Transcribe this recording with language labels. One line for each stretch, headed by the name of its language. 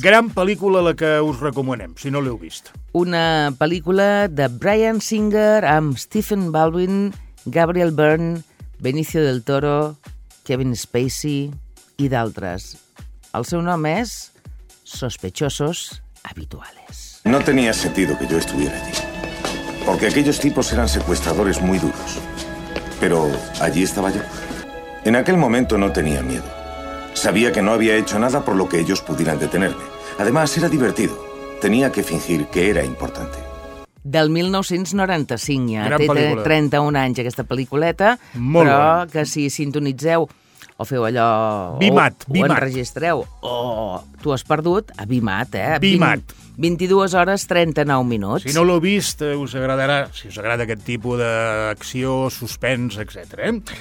Catalan: Gran pel·lícula la que us recomanem, si no l'heu vist. Una pel·lícula de Bryan Singer amb Stephen Baldwin, Gabriel Byrne, Benicio del Toro, Kevin Spacey i d'altres. El seu nom és Sospechosos Habituales.
Spanish: No tenía sentido que yo estuviera allí. Porque aquellos tipos eran secuestradores muy duros. Pero allí estaba yo. En aquel momento no tenía miedo. Sabía que no había hecho nada por lo que ellos pudieran detenerme. Además, era divertido. Tenía que fingir que era importante.
Catalan: Del 1995, ja. Gran pel·lícula. Té 31 anys, aquesta pel·lículeta. Molt però bé. Que si sintonitzeu o feu allò... Bimat. O enregistreu, o tu has perdut, a Bimat, eh? Bimat. 22 hores, 39 minuts. Si no l'heu vist, us agradarà, si us agrada aquest tipus d'acció, suspens, etc.